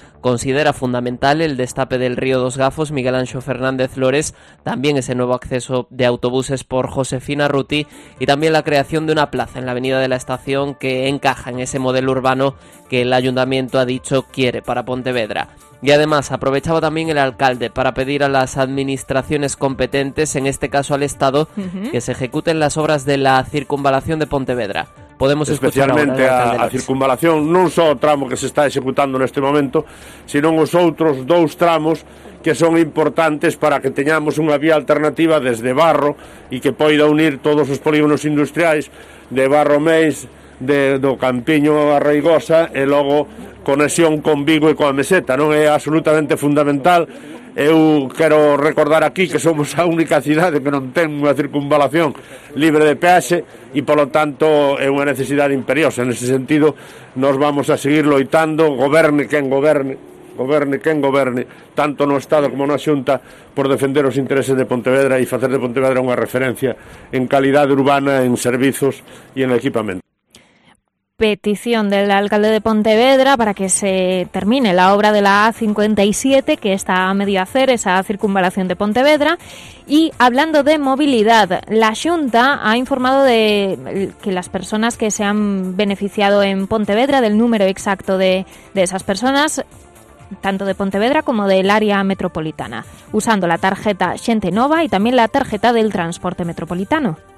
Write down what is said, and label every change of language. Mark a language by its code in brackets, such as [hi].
[es] Considera fundamental el destape del río Dos Gafos, Miguel Ancho Fernández Lores, también ese nuevo acceso de autobuses por Josefina Ruti y también la creación de una plaza en la avenida de la estación que encaja en ese modelo urbano que el ayuntamiento ha dicho quiere para Pontevedra. Y además aprovechaba también el alcalde para pedir a las administraciones competentes, en este caso al Estado, que se ejecuten las obras de la circunvalación de Pontevedra. [gl] Podemos especialmente a circunvalación, non só o tramo que se está executando neste momento, sino os outros dous tramos que son importantes para que teñamos unha vía alternativa desde Barro e que poida unir todos os polígonos industriais de Barro Meis, de do Campiño a Reigosa e logo conexión con Vigo e coa Meseta, non é absolutamente fundamental. Eu quero recordar aquí que somos a única cidade que non ten unha circunvalación libre de peaxe e, polo tanto, é unha necesidade imperiosa. En ese sentido, nos vamos a seguir loitando, goberne quen goberne, tanto no Estado como na Xunta, por defender os intereses de Pontevedra e facer de Pontevedra unha referencia en calidade urbana, en servizos e en equipamento. [es] Petición del alcalde de Pontevedra para que se termine la obra de la A57, que está a medio hacer esa circunvalación de Pontevedra. Y hablando de movilidad, la Xunta ha informado de que las personas que se han beneficiado en Pontevedra, del número exacto de esas personas, tanto de Pontevedra como del área metropolitana, usando la tarjeta Xente Nova y también la tarjeta del transporte metropolitano.